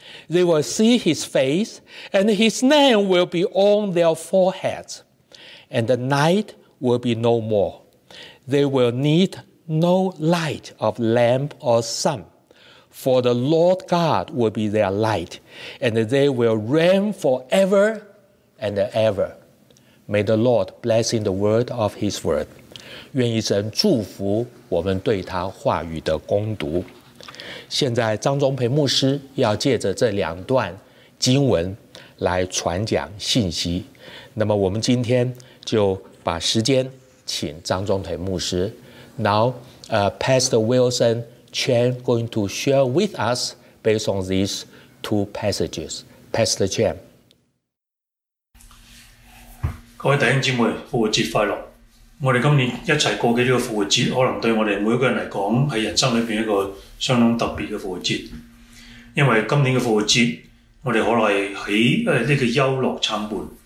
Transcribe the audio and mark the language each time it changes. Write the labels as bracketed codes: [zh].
[en] They will see his face, and his name will be on their foreheads, and the night will be no more. They will need no light of lamp or sun, for the Lord God will be their light, and they will reign forever and ever. May the Lord bless in the word of his word. [zh] 愿以神祝福我们对他话语的攻读。现在张宗培牧师要借着这两段经文来传讲信息，那么我们今天就把时间请张宗培牧师。 [en] Now, Pastor Wilson Chen going to share with us based on these two passages. Pastor Chen. [zh] 各位弟兄姊妹，复活节快乐。我们今年一起过的这个复活节，可能对我们每个人来讲是人生里面一个相当特别的复活节。因为今年的复活节，我们可能是在这个忧乐参半。